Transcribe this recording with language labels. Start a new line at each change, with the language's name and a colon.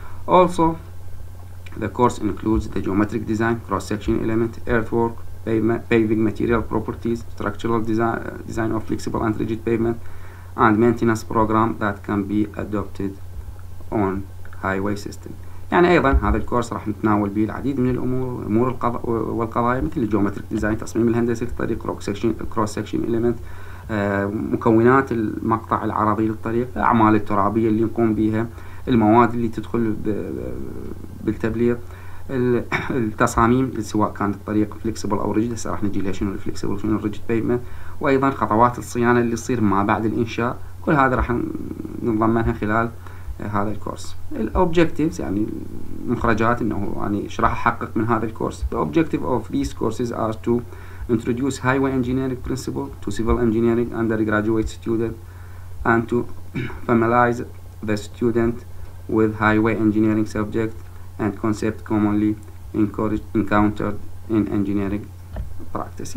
English: Also the course includes the geometric design, cross section element, earthwork, paving material properties, structural design of flexible and rigid pavement, and maintenance program that can be adopted on highway system.
Arabic: يعني ايضا هذا الكورس راح نتناول به العديد من الامور والقضايا مثل الجيومتريك ديزاين، تصميم الهندسي للطريق، كروس سكشن اليمنت، مكونات المقطع العرضي للطريق، الاعمال الترابيه اللي نقوم بها، المواد اللي تدخل بالتبليط، التصاميم سواء كانت الطريق فليكسبل او ريجيد، هسه راح نجي لها شنو الفليكسبل وشنو الريجيد بيمنت، وايضا خطوات الصيانه اللي تصير ما بعد الانشاء، كل هذا راح نضمنها خلال هذا الكورس. الاوبجكتيفز يعني المخرجات انه يعني ايش راح احقق من هذا الكورس.
English: The objective of these courses are to introduce highway engineering principle to civil engineering undergraduate student and to familiarize the student with highway engineering subject and concept commonly encountered in engineering practice.